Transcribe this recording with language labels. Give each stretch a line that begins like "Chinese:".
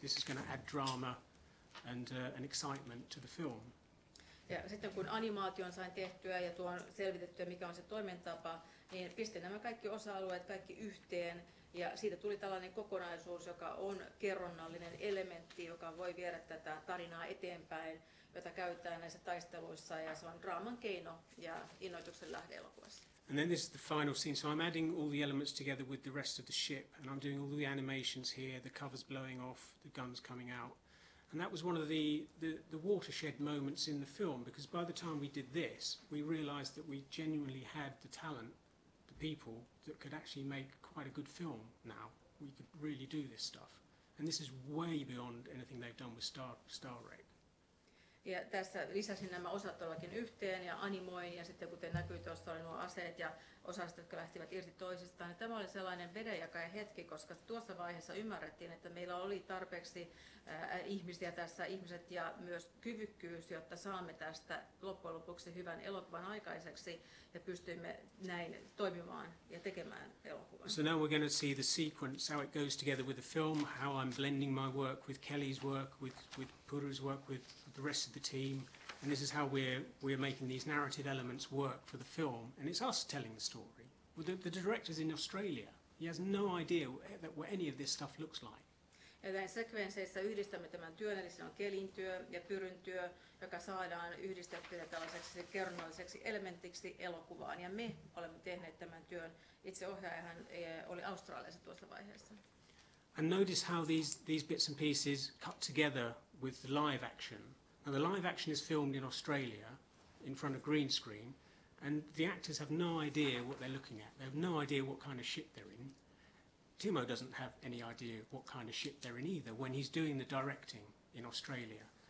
English: This is going to add drama and excitement to the film.
Finnish: Ja sitten kun animaation sain tehtyä ja tuon selvitettyä, mikä on se toimintatapa, niin pistin nämä kaikki osa-alueet kaikki yhteen. Ja siitä tuli tällainen kokonaisuus, joka on kerronnallinen elementti, joka voi viedä tätä tarinaa eteenpäin, jota käytetään näissä taisteluissa, ja se on draaman keino ja innoituksen lähde elokuvassa.
English: And then this is the final scene, so I'm adding all the elements together with the rest of the ship, and I'm doing all the animations here, the covers blowing off, the guns coming out. And that was one of the watershed moments in the film, because by the time we did this, we realized that we genuinely had the talent, the people, that could actually make quite a good film now. We could really do this stuff. And this is way beyond anything they've done with Star Trek.
Finnish: Ja tässä lisäsin nämä osat todellakin yhteen ja animoin, ja sitten kuten näkyy tuossa oli nuo aseet ja osastot, jotka lähtivät irti toisistaan. Ja tämä oli sellainen vedenjakaja hetki, koska tuossa vaiheessa ymmärrettiin, että meillä oli tarpeeksi ihmisiä tässä, ihmiset ja myös kyvykkyys, jotta saamme tästä loppujen lopuksi hyvän elokuvan aikaiseksi ja pystyimme näin toimimaan ja tekemään elokuvan.
English: So now we're going to see the sequence, how it goes together with the film, how I'm blending my work with Kelly's work, with Puru's work, with the rest of the team. And this is how we're making these narrative elements work for the film. And it's us telling the story. Well, the director's in Australia. He has no idea what any of this stuff looks like.
Finnish: Näin sekvenseissä yhdistämme tämän työn, eli se on kelin työ ja pyryn työ, joka saadaan yhdistettyä tällaiseksi kerronnalliseksi elementiksi elokuvaan. Ja me olemme tehneet tämän työn. Itse ohjaajahan oli Australiassa tuossa vaiheessa.
English: And notice how these bits and pieces cut together with the live action. Now the live action is filmed in Australia in front of green screen, and the actors have no idea what they're looking at. They have no idea what kind of ship they're in. Timo doesn't have any idea what kind of ship they're in either when he's doing the directing in Australia.